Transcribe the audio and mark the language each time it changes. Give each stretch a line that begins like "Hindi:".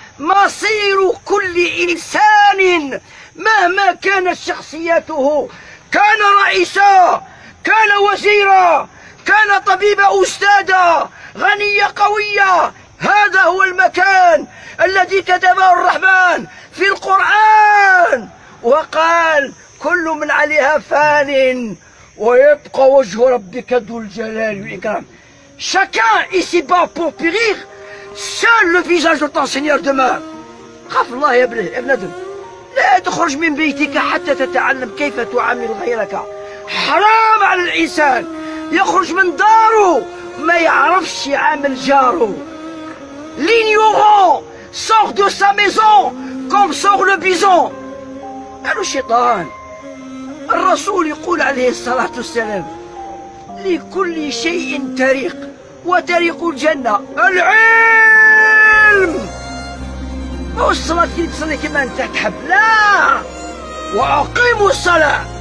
Arabic: مصير كل إنسان مهما كانت شخصيته، كان رئيسا، كان وزيرا، كان طبيبا، أستاذا، غنيا، قويا، هذا هو المكان الذي كتبه الرحمن في القرآن، وقال كل من عليها فان ويبقى وجه ربك ذو الجلال والإكرام.
French: Chacun ici bas pour périr, seul le visage de ton Seigneur demeure.
Arabic: خاف الله يا ابنه يا ابن ادم، لا تخرج من بيتك حتى تتعلم كيف تعامل غيرك. حرام على الانسان يخرج من داره ما يعرفش يعامل جاره.
French: L'ignorant sort de sa maison comme sort le bison.
Arabic: قالوا الشيطان. الرسول يقول عليه الصلاة والسلام: لكل شيء طريق، وطريق الجنة العلم. مو الصلاة كي تصلي كما أنت تحب، لا، وأقيموا الصلاة.